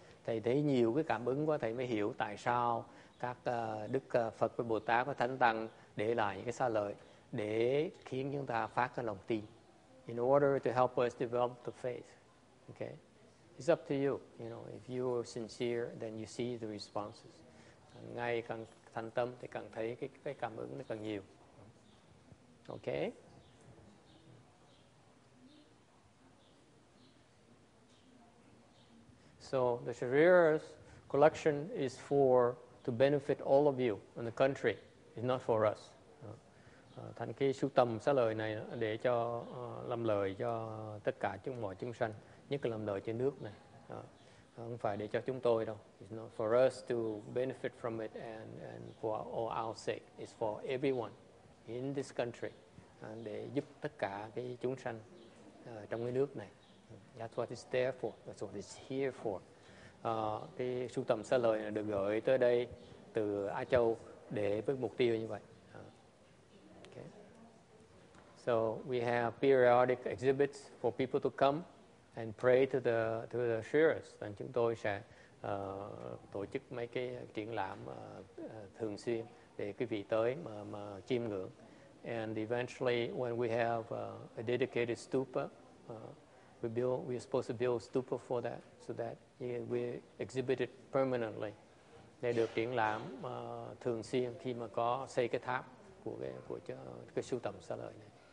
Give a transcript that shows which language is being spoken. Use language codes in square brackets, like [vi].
[vi] Thầy thấy nhiều cái cảm ứng quá, thầy mới hiểu tại sao các đức Phật và Bồ Tát và Thánh Tăng để lại những cái xa lợi để khiến chúng ta phát cái lòng tin. [en] In order to help us develop the faith. Okay? It's up to you. You know, if you are sincere, then you see the responses. Ngay càng thành tâm thì càng thấy cái cảm ứng nó càng nhiều. Okay? So the Sharira's collection is for to benefit all of you in the country. It's not for us. [vi] Thành cái sưu tầm xá lợi này để cho làm lợi cho tất cả chúng mọi chúng sanh, nhất là làm lợi trên nước này. Không phải để cho chúng tôi đâu. [en] It's not for us to benefit from it and for all our sake. It's for everyone in this country. [vi] Để giúp tất cả cái chúng sanh trong cái nước này. [en] That's what it's there for. That's what it's here for. [vi] Cái sưu tầm xá lợi được gửi tới đây từ Á Châu để với mục tiêu như vậy. [en] Okay. So we have periodic exhibits for people to come and pray to the shrines. [vi] Then chúng tôi sẽ tổ chức mấy cái triển lãm thường xuyên để quý vị tới mà chiêm ngưỡng. [en] And eventually, when we have a dedicated stupa. We are supposed to build a stupa for that, so that we exhibit it permanently. [vi] Để được triển lãm thường xuyên khi mà có xây cái tháp của cái sưu tầm xá lợi này.